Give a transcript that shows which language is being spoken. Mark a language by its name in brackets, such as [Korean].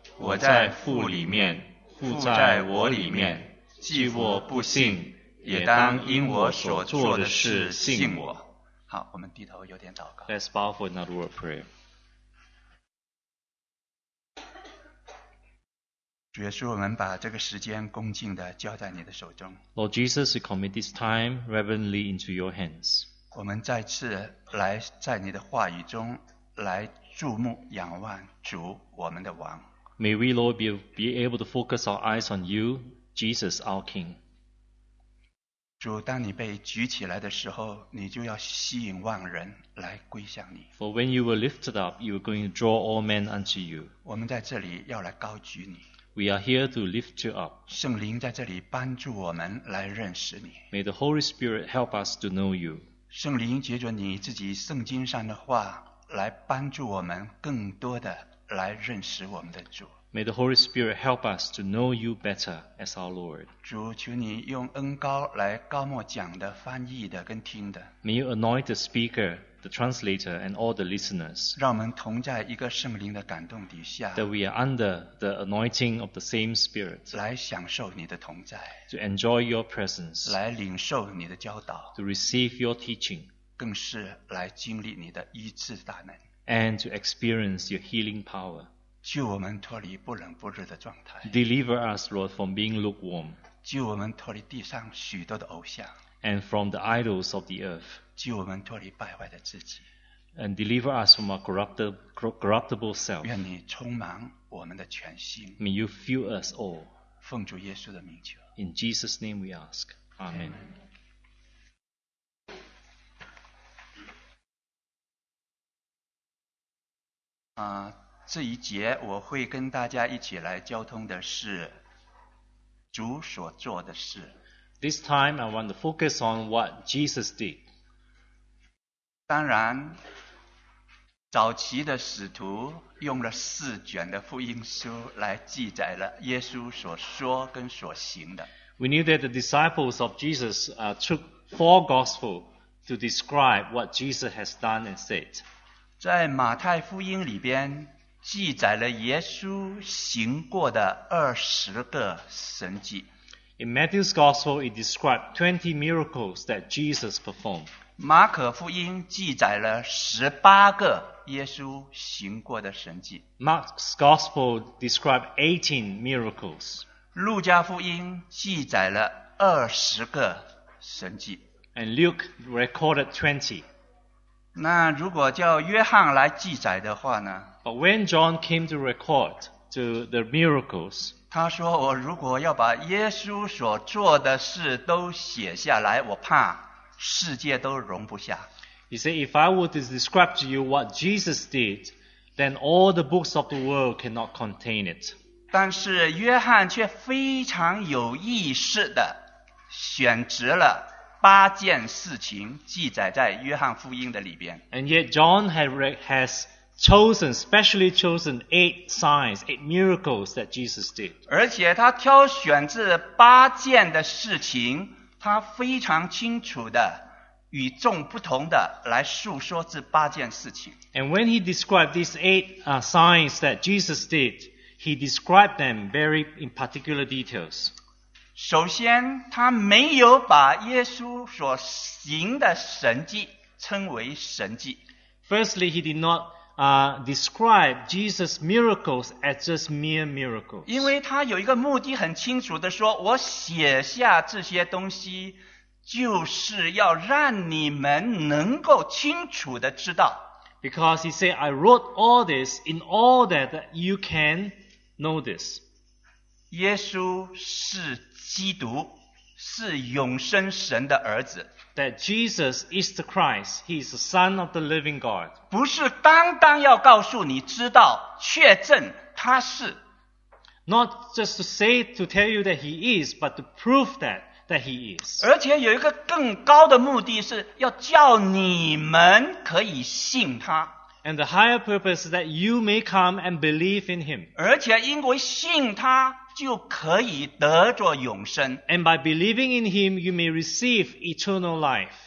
[Chinese] 我在父里面，父在我里面，既我不信，也当因我所做的事信我。好，我们低头有点祷告。 [English] Let's bow for another word of prayer. [Chinese] 主耶稣，我们把这个时间恭敬地交在你的手中。 [English] Lord Jesus, we commit this time reverently into your hands. [Chinese] 我们再次来在你的话语中来注目仰望主，我们的王。 [English] May we, Lord, be able to focus our eyes on you, Jesus, our King. [Chinese] 主，当你被举起来的时候，你就要吸引万人来归向你。 [English] For when you were lifted up, you were going to draw all men unto you. [Chinese] 我们在这里要来高举你。 [English] We are here to lift you up. [Chinese] 圣灵在这里帮助我们来认识你。 [English] May the Holy Spirit help us to know you. [Chinese] 圣灵借着你自己圣经上的话来帮助我们更多的来认识我们的主。 [English] May the Holy Spirit help us to know you better as our Lord. [Chinese] 主，求你用恩膏来膏抹讲的、翻译的跟听的。 [English] May you anoint the speaker, the translator, and all the listeners. [Chinese] 让我们同在一个圣灵的感动底下。 [English] That we are under the anointing of the same Spirit. [Chinese] 来享受你的同在。 [English] To enjoy your presence. [Chinese] 来领受你的教导。 [English] To receive your teaching. [Chinese] 更是来经历你的医治大能。 [English] And to experience your healing power. [Chinese] 救我们脱离不冷不热的状态。 [English] Deliver us, Lord, from being lukewarm. [Chinese] 救我们脱离地上许多的偶像。 [English] And from the idols of the earth. [Chinese] 救我们脱离败坏的自己。 [English] And deliver us from our corruptible self. [Chinese] 愿你充满我们的全心。 [English] May you fill us all. [Chinese] 奉主耶稣的名求。 [English] In Jesus' name we ask. Amen. Amen. [Chinese] 这一节我会跟大家一起来交通的是主所做的事。 [English] This time, I want to focus on what Jesus did. [Chinese] 当然，早期的使徒用了四卷的福音书来记载了耶稣所说跟所行的。 [English] We knew that the disciples of Jesus took four gospels to describe what Jesus has done and said. [Chinese] 在马太福音里边记载了耶稣行过的20神迹。 [English] In Matthew's gospel, it described 20 miracles that Jesus performed. [Chinese] 马可福音记载了18耶稣行过的神迹。 [English] Mark's gospel described 18 miracles. [Chinese] 路加福音记载了20神迹。 [English] And Luke recorded 20. [Chinese] 那如果叫约翰来记载的话呢？ [English] But when John came to record to the miracles, [Chinese] 他说我如果要把耶稣所做的事都写下来，我怕世界都容不下。 [English] He said, if I were to describe to you what Jesus did, then all the books of the world cannot contain it. [Chinese] 但是约翰却非常有意识的选择了八件事情记载在约翰福音的里边。 [English] And yet John has chosen, specially chosen eight signs, eight miracles that Jesus did. [Chinese] 而且他挑选这八件的事情，他非常清楚的与众不同的来述说这八件事情。 [English] And when he described these eight signs that Jesus did,He described them very in particular details. [Chinese] 首先，他没有把耶稣所行的神迹称为神迹。 [English] Firstly, he did not describe Jesus' miracles as just mere miracles. [Chinese] 因为他有一个目的很清楚的说，我写下这些东西，就是要让你们能够清楚的知道。 [English] Because he said, I wrote all this in order that you can. Know this. [Chinese] 耶稣是基督，是永生神的儿子。 [English] That Jesus is the Christ, he is the Son of the living God. [Chinese] 不是单单要告诉你知道，确证他是。 [English] Not just to say to tell you that he is, but to prove that he is. [Chinese] 而且有一个更高的目的是要叫你们可以信他。 [English] And the higher purpose is that you may come and believe in him. [Chinese] 而且因为信他就可以得着永生。 [English] And by believing in him, you may receive eternal life.